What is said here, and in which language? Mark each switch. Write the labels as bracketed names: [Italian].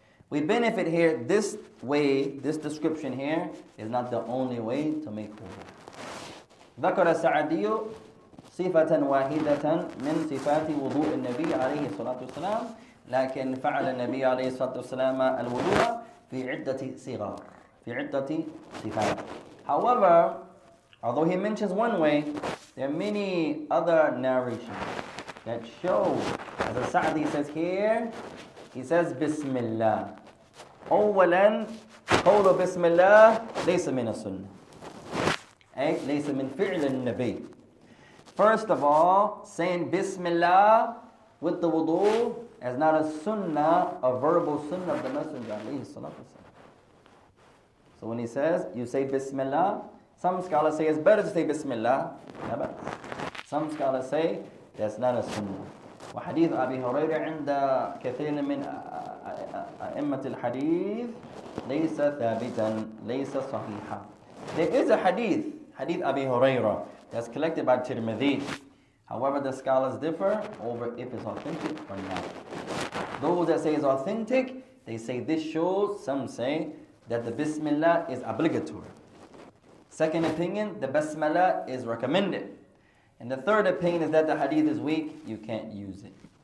[English] We benefit here this way. This description here is not the only way to make wudu. [Arabic] ذكر السعدي صفة واحدة من صفات وضوء النبي عليه الصلاة والسلام لكن فعل النبي عليه الصلاة والسلام الوضوء في عدة صغار في عدة صفات. [English] However, although he mentions one way, there are many other narrations that show, as السعدي says here, he says [Arabic] بسم الله. أولا قول بسم الله ليس من السنة. ليس من فعل النبي. [English] First of all, saying Bismillah with the wudu is not a sunnah, a verbal sunnah of the Messenger alayhi salatu wasalam. So when he says, you say Bismillah, some scholars say it's better to say Bismillah. Some scholars say that's not a sunnah. [Arabic] وحديث أبي هريرة عند كثير من أئمة الحديث ليس ثابتا ليس صحيحا. [English] There is a hadith. Hadith Abi Hurairah, that's collected by Tirmidhi. However, the scholars differ over if it's authentic or not. Those that say it's authentic, they say this shows, some say, that the Bismillah is obligatory. Second opinion, the Bismillah is recommended. And the third opinion is that the hadith is weak, you can't use it.